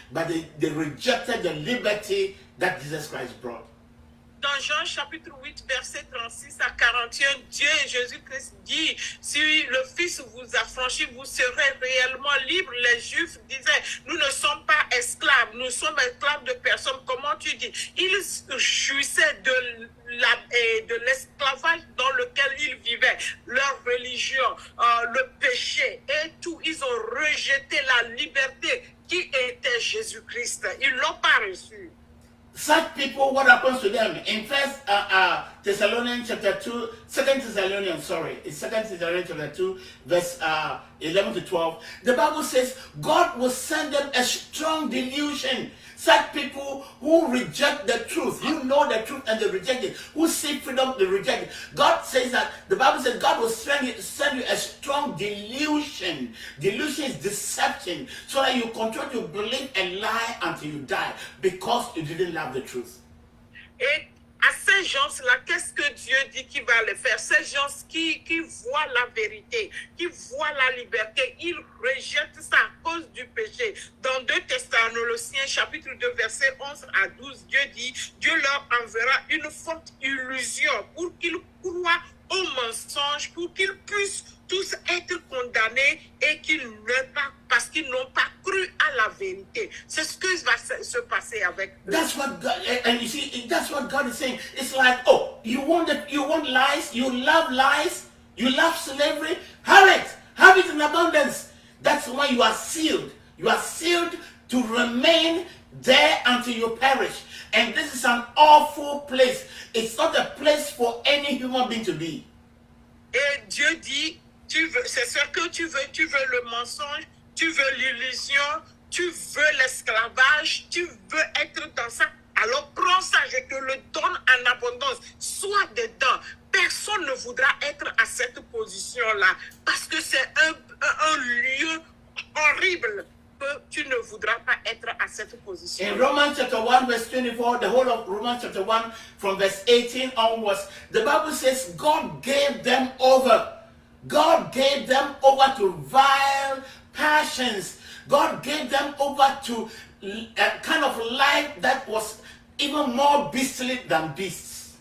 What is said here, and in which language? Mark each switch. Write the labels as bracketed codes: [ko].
[en] But they rejected the liberty that Jesus Christ brought. [fr] Dans Jean chapitre 8, verset 36 à 41, Dieu Jésus-Christ dit, si le Fils vous affranchit, vous serez réellement libre. Les Juifs disaient, nous ne sommes pas esclaves, nous sommes esclaves de personne. Comment tu dis? Ils jouissaient de l'esclavage dans lequel ils vivaient, leur religion, le péché et tout. Ils ont rejeté la liberté qui était Jésus-Christ. Ils ne l'ont pas reçu. [en] Such people, what happens to them? In First Thessalonians chapter 2, Second Thessalonians, sorry, it's Second Thessalonians chapter 2, verse 11 to 12. The Bible says God will send them a strong delusion. Such people who reject the truth, who know the truth and they reject it, who seek freedom, they reject it. God will send you a strong delusion. Delusion is deception, so that you continue to believe a lie until you die because you didn't love the truth. [fr] Et à ces gens-là, qu'est-ce que Dieu dit qu'il va le faire? Ces gens qui voient la vérité, qui voient la liberté, ils rejettent ça à cause du péché. Dans 2 Thessaloniciens, chapitre 2, versets 11 à 12, Dieu dit, Dieu leur enverra une forte illusion pour qu'ils croient au mensonge, pour qu'ils puissent tous être condamnés et qu'ils ne pas parce qu'ils n'ont pas cru à la vérité. C'est ce que va se passer avec eux. [en] That's what God, and you see, that's what God is saying. It's like, oh, you want lies, you love lies, you love slavery, have it in abundance. That's why you are sealed. You are sealed to remain there until you perish. And this is an awful place. It's not a place for any human being to be. [fr] Et Dieu dit, tu veux, c'est ce que tu veux le mensonge, tu veux l'illusion, tu veux l'esclavage, tu veux être dans ça. Alors prends ça, je te le donne en abondance, sois dedans. Personne ne voudra être à cette position-là, parce que c'est un lieu horrible. Tu ne voudras pas être à cette position. [en] In Romans chapter 1, verse 24, the whole of Romans chapter 1, from verse 18 onwards, the Bible says God gave them over. God gave them over to vile passions. God gave them over to a kind of life that was even more beastly than beasts.